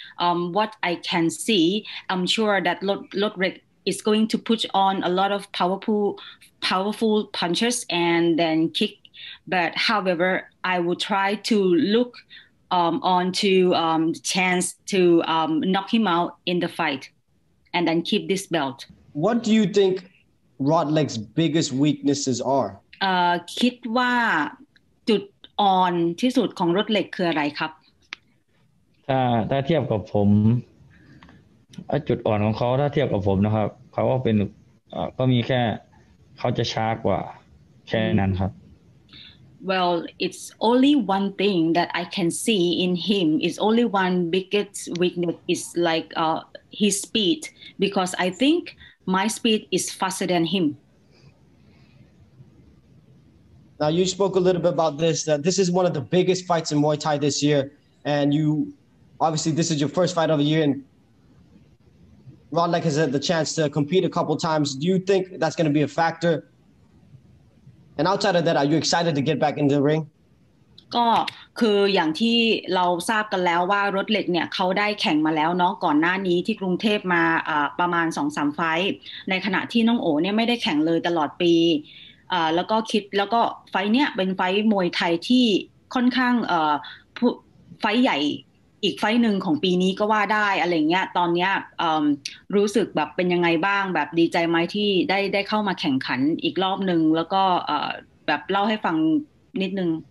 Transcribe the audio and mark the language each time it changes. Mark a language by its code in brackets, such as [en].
[en] What I can see, I'm sure that Lodrick is going to put on a lot of powerful punches and then kick. But however, I will try to look on to chance to knock him out in the fight and then keep this belt. What do you think Rodleg's biggest weaknesses are? [th] คิดว่าจุดอ่อนที่สุดของรถเหล็กคืออะไรครับ ถ้าเทียบกับผมจุดอ่อนของเขาถ้าเทียบกับผมนะครับเขาก็เป็นก็มีแค่เขาจะช้ากว่าแค่นั้นครับ [en] Well, it's only one thing that I can see in him. It's only one biggest weakness is like his speed, because I think my speed is faster than him. Now, you spoke a little bit about this, that this is one of the biggest fights in Muay Thai this year. And you obviously this is your first fight of the year. And Rodlek has had the chance to compete a couple times. Do you think that's going to be a factor And outside of that, are you excited to get back into the ring? [th] ก็คืออย่างที่เราทราบกันแล้วว่ารถเหล็กเนี่ยเขาได้แข่งมาแล้วเนาะก่อนหน้านี้ที่กรุงเทพมาประมาณ2-3 ไฟต์ในขณะที่น้องโอเนี่ยไม่ได้แข่งเลยตลอดปีแล้วก็คิดแล้วก็ไฟต์เนี่ยเป็นไฟต์มวยไทยที่ค่อนข้างไฟต์ใหญ่อีกไฟหนึ่งของปีนี้ก็ว่าได้อะไรเงี้ยตอนเนี้ยรู้สึกแบบเป็นยังไงบ้างแบบดีใจไหมที่ได้เข้ามาแข่งขันอีกรอบหนึ่งแล้วก็แบบเล่าให้ฟังนิดนึง